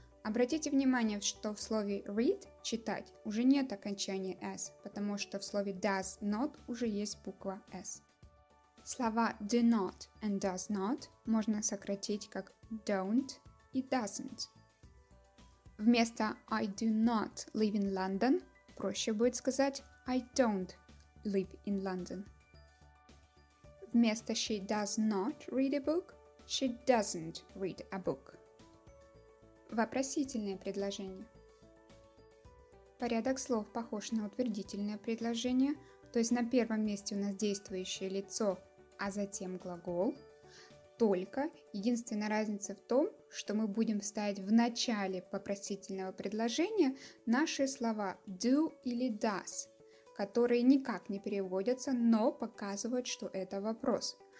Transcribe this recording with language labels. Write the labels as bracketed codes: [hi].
[ru] Обратите внимание, что в слове read, читать, уже нет окончания S, потому что в слове does not уже есть буква S. Слова do not and does not можно сократить как don't и doesn't. [en] Вместо I do not live in London [ru] проще будет сказать [en] I don't live in London. Вместо she does not read a book, she doesn't read a book. [ru] Вопросительное предложение. Порядок слов похож на утвердительное предложение, то есть на первом месте у нас действующее лицо, а затем глагол. Только единственная разница в том, что мы будем ставить в начале вопросительного предложения наши слова do или does, которые никак не переводятся, но показывают, что это вопрос.